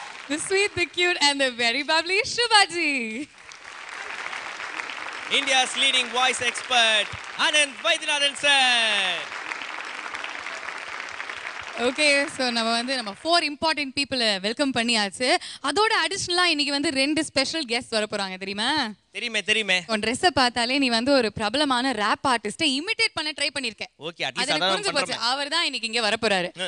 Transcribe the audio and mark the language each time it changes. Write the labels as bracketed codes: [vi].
[en] The sweet, the cute and the very bubbly Subhaji. India's leading voice expert, Ananth Vaidyanathan sir. Okay, so [ta] நம்ம வந்து நம்ம four important பீப்புளை welcome பண்ணியாச்சு. அதோட அடிஷ்னலாக இன்றைக்கி வந்து ரெண்டு ஸ்பெஷல் கெஸ்ட் வரப்போகிறாங்க. தெரியுமா? தெரியுமே தெரியுமே. உன் ட்ரெஸ்ஸை பார்த்தாலே நீ வந்து ஒரு பிரபலமான ரேப் ஆர்டிஸ்ட்டை இமிட்டேட் பண்ண ட்ரை பண்ணியிருக்கேன். புரிஞ்சு போச்சு. அவர் தான் இன்னைக்கு இங்கே வரப்போறாரு.